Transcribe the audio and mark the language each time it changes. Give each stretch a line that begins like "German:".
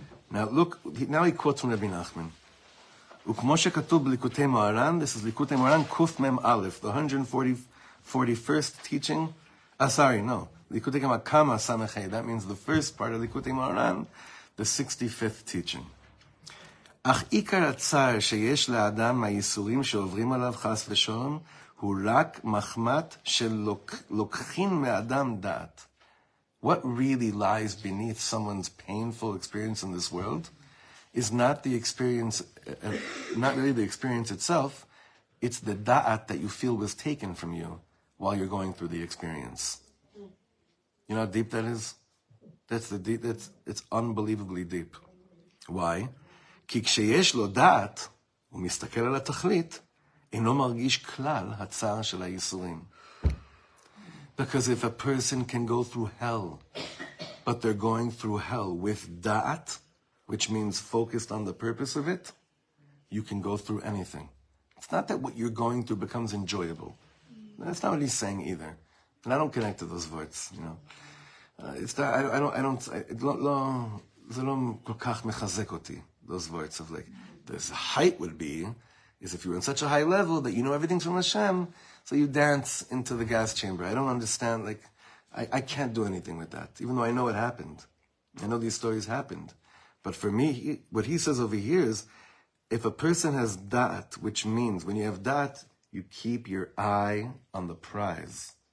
English: Now look, now he quotes from Rabbi Nachman.
Hebrew: Ukmo shekatub b'likutei Moharan,
English: this is Likutei Moharan, Kuf Mem Aleph, the 141st teaching. Likutei Kama Kama Samechei, that means the first part of Likutei Moharan, the 65th teaching.
Hebrew: אך עיקר הצער שיש לאדם מהייסורים שעוברים עליו חס ושלום הוא רק מחמת שלוקחים מאדם דעת.
English: What really lies beneath someone's painful experience in this world is not the experience, not really the experience itself, it's the da'at that you feel was taken from you while you're going through the experience. You know how deep that is? It's unbelievably deep. Why?
Hebrew: כי כשיש לו דעת, הוא מסתכל על התכלית, אינו מרגיש כלל הצער של הייסורים.
English: Because if a person can go through hell, but they're going through hell with da'at, which means focused on the purpose of it, you can go through anything. It's not that what you're going through becomes enjoyable. That's not what he's saying either. And I don't connect to those words, you know. It's that, I don't,
Hebrew: זה לא כל כך מחזק אותי.
English: those words of like, this height would be, is if you're on such a high level that you know everything's from Hashem, so you dance into the gas chamber. I don't understand, like, I can't do anything with that, even though I know it happened. I know these stories happened. But for me, what he says over here is, if a person has da'at, which means when you have da'at, you keep your eye on the prize.